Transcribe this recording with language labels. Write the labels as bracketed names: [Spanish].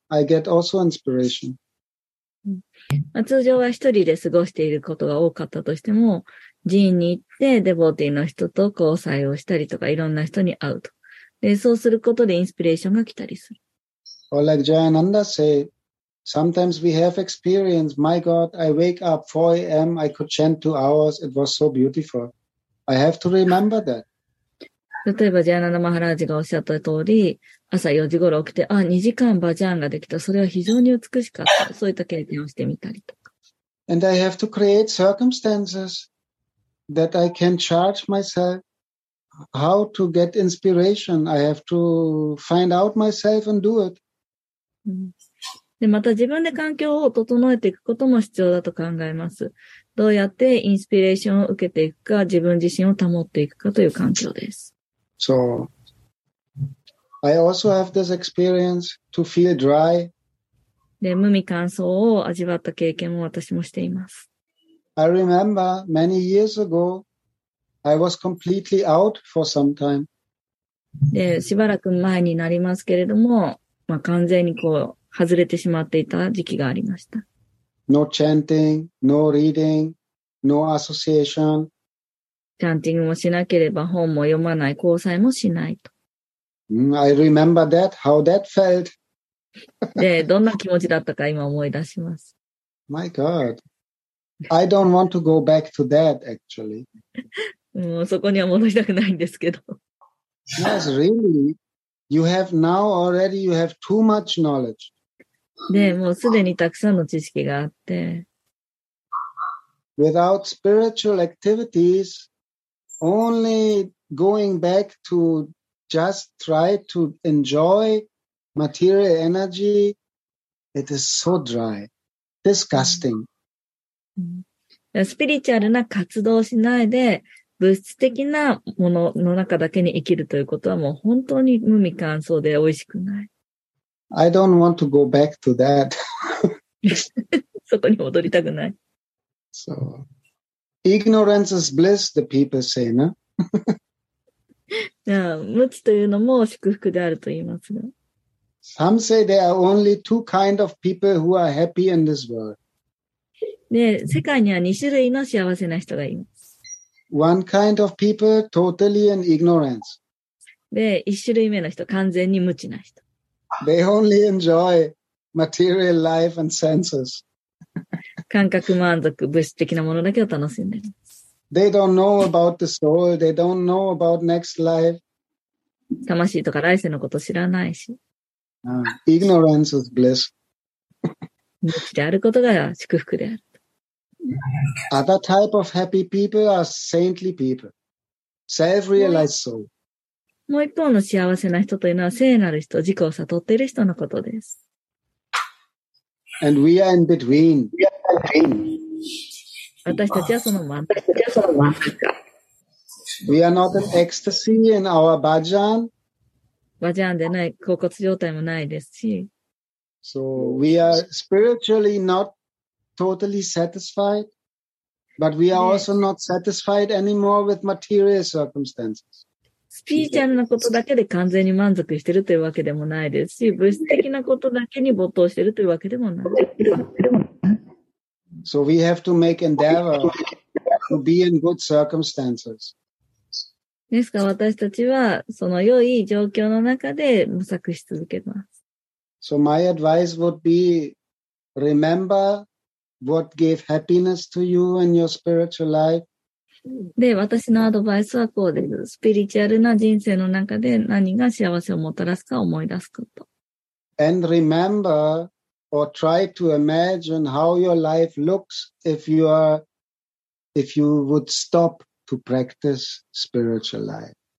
[English] I get also inspiration. [Japanese] 通常は一人で過ごしていることが多かったとしても、寺院に行ってデボティの人と交際をしたりとか、いろんな人に会うと。で、そうすることでインスピレーションが来たりする。 [English] Or like Jayananda say, sometimes we have experience, my God, I wake up 4 a.m., I could chant 2 hours, it was so beautiful. I have to remember that. [Japanese] 例えば、ジャイアナンダ・マハラージがおっしゃった通り、朝4時頃起きて、あ、2時間バジャンができた、それは非常に美しかった、そういった経験をしてみたりとか。 [English] And I have to create circumstances that I can charge myself. How to get inspiration? I have to find out myself and do it. [Japanese] で、また自分で環境を整えていくことも必要だと考えます。どうやってインスピレーションを受けていくか、自分自身を保っていくかという環境です。 [English] So, I also have this experience to feel dry. [Japanese] で、無味乾燥を味わった経験も私もしています。 [English] I remember many years ago, I was completely out for some time. [Japanese] で、しばらく前になりますけれども、まあ、完全にこう、外れてしまっていた時期がありました。 [English] No chanting, no reading, no association. [Japanese] チャンティングもしなければ、本も読まない、交際もしないと。 [English] I remember that, how that felt. [Japanese] で、どんな気持ちだったか今思い出します。 [English] My God. I don't want to go back to that, actually. [Japanese] もうそこには戻りたくないんですけど。 [English] Yes, really. You have now already, you have too much knowledge. [Japanese] で、もうすでにたくさんの知識があって。 [English] Without spiritual activities, only going back to just try to enjoy material energy, it is so dry. Disgusting. [Japanese] スピリチュアルな活動をしないで、物質的なものの中だけに生きるということはもう本当に無味乾燥で美味しくない。 [English] I don't want to go back to that. [Japanese] そこに戻りたくない。 [English] So, ignorance is bliss, the people say, no? [Japanese] 無知というのも祝福であると言いますが。 [English] Some say there are only two kind of people who are happy in this world. [Japanese] で、世界には2種類の幸せな人がいます。 [English] One kind of people, totally in ignorance. [Japanese] で、一種類目の人、完全に無知な人。 [English] They only enjoy material life and senses. [Japanese] 感覚満足、物質的なものだけを楽しんでいます。 [English] They don't know about the soul. They don't know about next life. [Japanese] 魂とか来世のこと知らないし。 [English] Ignorance is bliss. [Japanese] 無知であることが祝福である。 [English] Other type of happy people are saintly people, self-realized soul. [Japanese] もう一方の幸せな人というのは聖なる人、自己を悟っている人のことです。 [English] And we are in between. [Japanese] 私たちはその真ん中。 [English] We are not in ecstasy in our bhajan. [Japanese] Bhajan でない、恍惚状態もないですし。 [English] So we are spiritually not. Totally satisfied, but we are also not satisfied anymore with material circumstances. [Japanese] スピリチュアルなことだけで完全に満足しているというわけでもないですし、物質的なことだけに没頭しているというわけでもない。 [English] So we have to make endeavor to be in good circumstances. [Japanese] ですから私たちはその良い状況の中で模索し続けます。 [English] So my advice would be rememberWhat gave happiness to you in your spiritual life? [Japanese] で、私のアドバイスはこうです。スピリチュアルな人生の中で何が幸せをもたらすか思い出すこと。 [English] And remember or try to imagine how your life looks if you would stop to practice spiritual life.